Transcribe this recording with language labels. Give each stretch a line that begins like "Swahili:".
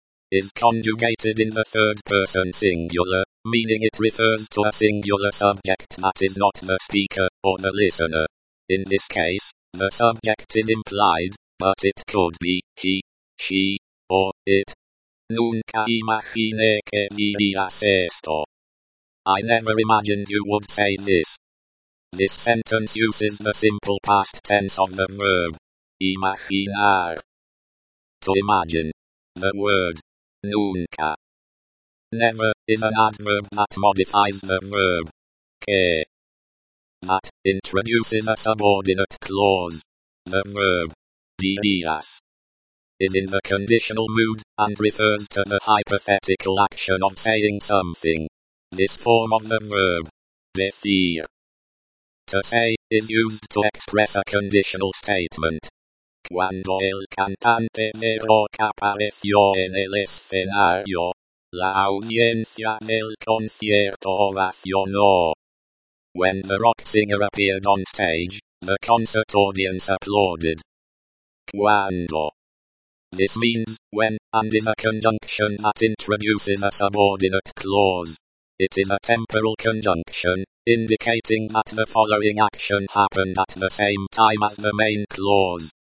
English: is conjugated in the third person singular, meaning it refers to a singular subject that is not the speaker or the listener. In this case, the subject is implied, but it could be he, she, or it.
Spanish: Nunca imaginé que dirías esto.
English: I never imagined you would say this. This sentence uses the simple past tense of the verb
Spanish: imaginar
English: to imagine. The word
Spanish: nunca,
English: never, is an adverb that modifies the verb
Spanish: que,
English: that introduces a subordinate clause. The verb dirías is in the conditional mood and refers to the hypothetical action of saying something. This form of the verb
Spanish: decir
English: to say is used to express a conditional statement.
Spanish: Cuando el cantante de rock apareció en el escenario, la audiencia del concierto ovacionó.
English: When the rock singer appeared on stage, the concert audience applauded.
Spanish: Cuando.
English: This means when and is a conjunction that introduces a subordinate clause. It is a temporal conjunction, indicating that the following action happened at the same time as the main clause.